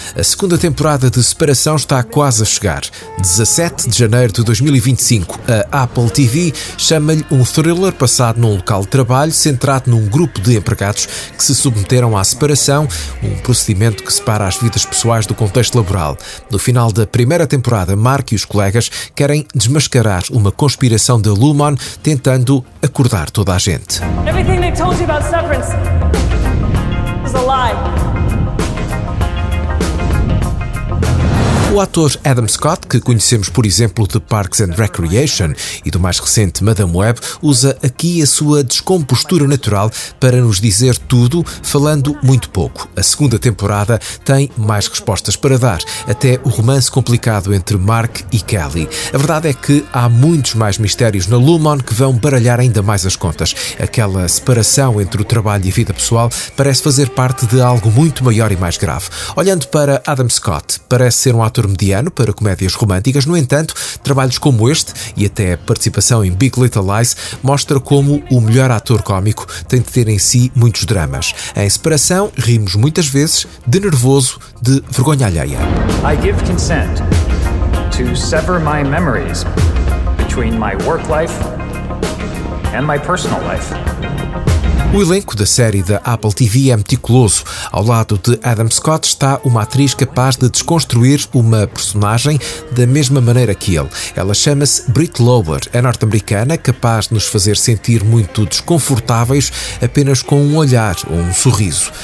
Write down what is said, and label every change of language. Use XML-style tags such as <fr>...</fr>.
<pt>A segunda temporada de Separação está quase a chegar. 17 de janeiro de 2025, a Apple TV chama-lhe um thriller passado num local de trabalho centrado num grupo de empregados que se submeteram à separação, um procedimento que separa as vidas pessoais do contexto laboral. No final da primeira temporada, Mark e os colegas querem desmascarar uma conspiração da Lumon, tentando acordar toda a gente.</pt> <en>Everything they told you about Severance is a lie.</en> <pt>O ator Adam Scott, que conhecemos, por exemplo, de Parks and Recreation e do mais recente Madame Web, usa aqui a sua descompostura natural para nos dizer tudo, falando muito pouco. A segunda temporada tem mais respostas para dar, até o romance complicado entre Mark e Kelly. A verdade é que há muitos mais mistérios na Lumon que vão baralhar ainda mais as contas. Aquela separação entre o trabalho e a vida pessoal parece fazer parte de algo muito maior e mais grave. Olhando para Adam Scott, parece ser um ator mediano para comédias românticas. No entanto, trabalhos como este e até a participação em Big Little Lies mostra como o melhor ator cómico tem de ter em si muitos dramas. Em Separação, rimos muitas vezes de nervoso, de vergonha alheia.</pt> <en>I give consent to sever my memories between my work life and my personal life.</en> <pt>O elenco da série da Apple TV é meticuloso. Ao lado de Adam Scott está uma atriz capaz de desconstruir uma personagem da mesma maneira que ele. Ela chama-se Brit Lower, é norte-americana, capaz de nos fazer sentir muito desconfortáveis apenas com um olhar ou um sorriso.</pt>